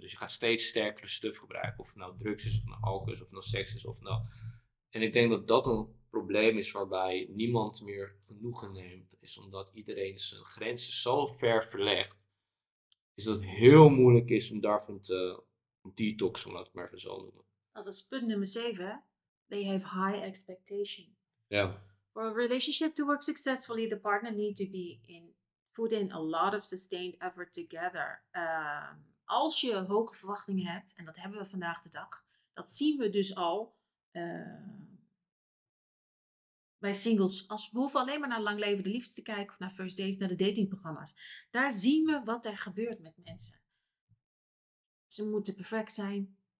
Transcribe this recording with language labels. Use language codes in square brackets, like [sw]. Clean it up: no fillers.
[nl] Dus je gaat steeds sterkere stuff gebruiken, of het nou drugs is, of nou alcohol is, of nou seks is, of nou... En ik denk dat dat een probleem is waarbij niemand meer genoegen neemt, is omdat iedereen zijn grenzen zo ver verlegt, is dat het heel moeilijk is om daarvan te detoxen, laat ik maar even zo noemen. Dat is punt nummer 7. [en] They have high expectation. [nl] Ja. [en] For a relationship to work successfully, the partner need to be in put in a lot of sustained effort together. [nl] Als je hoge verwachtingen hebt, en dat hebben we vandaag de dag, dat zien we dus al bij singles. Als we hoeven alleen maar naar lang levende liefde te kijken, of naar first dates, naar de datingprogramma's. Daar zien we wat er gebeurt met mensen. Ze moeten perfect zijn.